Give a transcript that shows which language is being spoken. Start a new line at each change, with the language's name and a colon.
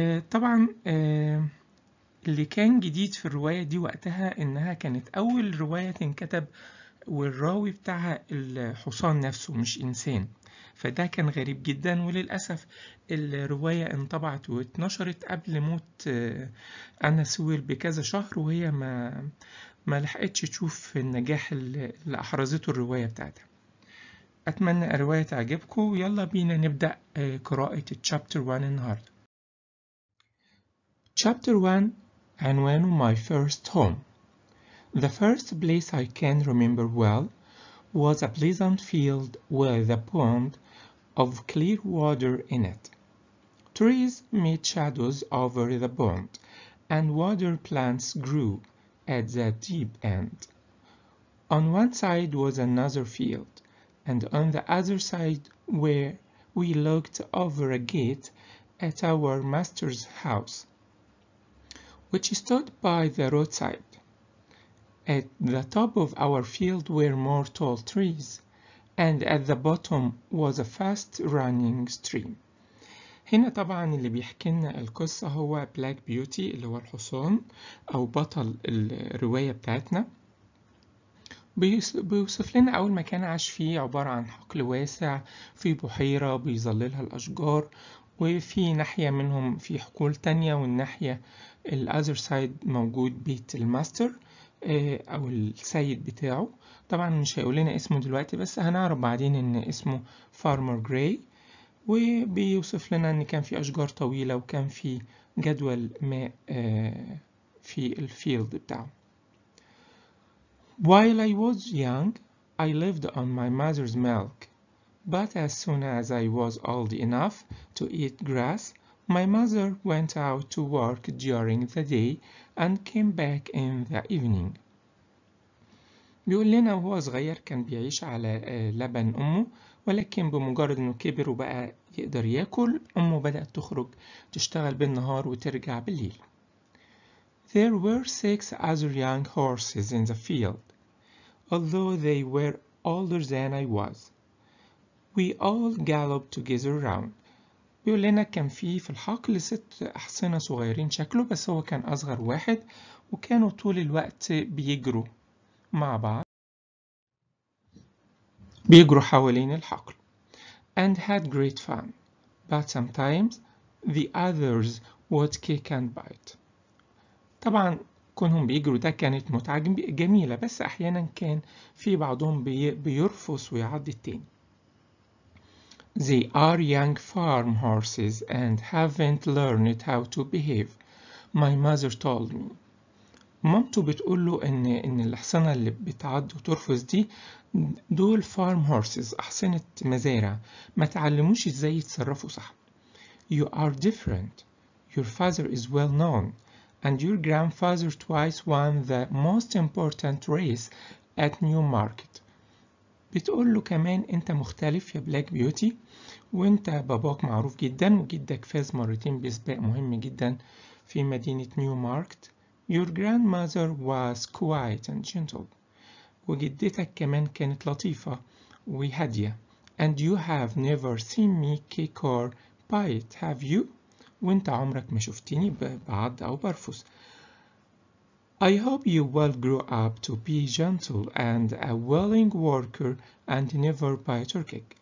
Arabic: طبعا اللي كان جديد في الرواية دي وقتها إنها كانت أول رواية تنكتب والراوي بتاعها الحصان نفسه مش إنسان، فده كان غريب جدا، وللأسف الرواية انطبعت واتنشرت قبل موت أنا سويل بكذا شهر، وهي ما لحقتش تشوف النجاح اللي أحرزته الرواية بتاعتها. أتمنى الرواية تعجبكم، ويلا بينا نبدأ قراءة Chapter 1 النهاردة.
English: Chapter 1
Arabic: عنوانه
English: My First Home. The first place I can remember well was a pleasant field with a pond of clear water in it. Trees made shadows over the pond, and water plants grew at the deep end. On one side was another field, and on the other side where we looked over a gate at our master's house, which stood by the roadside. At the top of our field were more tall trees, and at the bottom was a fast running stream.
Arabic: هنا طبعا اللي بيحكي لنا القصة هو بلاك بيوتي اللي هو الحصان أو بطل الرواية بتاعتنا. بيوصف لنا أول مكان عاش فيه عبارة عن حقل واسع في بحيرة بيظللها الأشجار، وفي ناحية منهم في حقول تانية، والناحية
English: الأذر سايد
Arabic: موجود بيت الماستر أو السيد بتاعه. طبعا مش هيقول لنا اسمه دلوقتي، بس هنعرف بعدين إن اسمه فارمر جراي. وبيوصف لنا إن كان في أشجار طويلة وكان في جدول ماء في الفيلد بتاعه.
English: While I was young, I lived on my mother's milk. But as soon as I was old enough to eat grass, my mother went out to work during the day and came back in the evening.
Arabic: بيقول لنا وهو صغير كان بيعيش على لبن أمه، ولكن بمجرد أنه كبر وبقى يقدر يأكل أمه بدأت تخرج تشتغل بالنهار وترجع بالليل.
English: There were six other young horses in the field, although they were older than I was. We all galloped together round,
Arabic: بيقول لنا كان فيه في الحقل 6 أحصنة صغيرين شكله، بس هو كان أصغر واحد، وكانوا طول الوقت بيجروا مع بعض، بيجروا حوالين الحقل.
English: And had great fun, but sometimes the others would kick and bite.
Arabic: طبعا كونهم بيجروا ده كانت متعة جميلة، بس أحيانا كان في بعضهم بيرفس ويعض التاني.
English: They are young farm horses and haven't learned how to behave, my mother told me.
Arabic: مامته بتقول له إن الأحصنة اللي بتعض وترفس دي دول
English: farm horses،
Arabic: أحصنة مزارع، ما تعلموش إزاي يتصرفوا صح.
English: You are different. Your father is well known, and your grandfather twice won the most important race at Newmarket.
Arabic: بتقول له كمان انت مختلف يا بلاك بيوتي، وانت باباك معروف جدا، وجدك فاز مرتين بسباق مهم جدا في مدينة نيوماركت.
English: Your grandmother was quiet and gentle.
Arabic: وجدتك كمان كانت لطيفة وهادية.
English: And you have never seen me kick or bite, have you?
Arabic: وانت عمرك ما شفتني بعض او برفس.
English: I hope you will grow up to be gentle and a willing worker and never bite or kick.